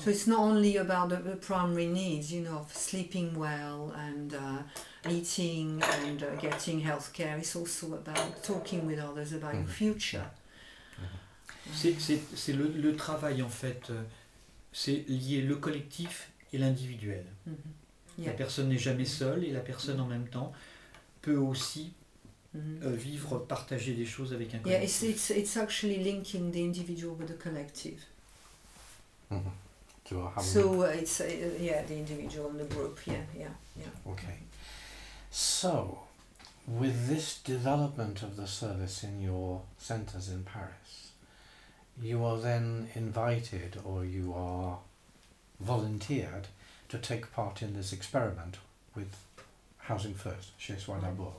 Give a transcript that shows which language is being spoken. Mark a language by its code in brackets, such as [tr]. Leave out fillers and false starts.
[en] So it's not only about the primary needs, you know, of sleeping well and eating and getting health care, it's also about talking with others about your future. [fr] C'est le travail en fait, c'est lié le collectif et l'individuel. La personne n'est jamais seule et la personne en même temps peut aussi vivre, partager des choses avec un collectif. [en] Yeah, it's actually linking the individual with the collective. So it's the individual and the group. Okay. So, with this development of the service in your centers in Paris, you are then invited or you are volunteered to take part in this experiment with Housing First, chez Soi d'abord.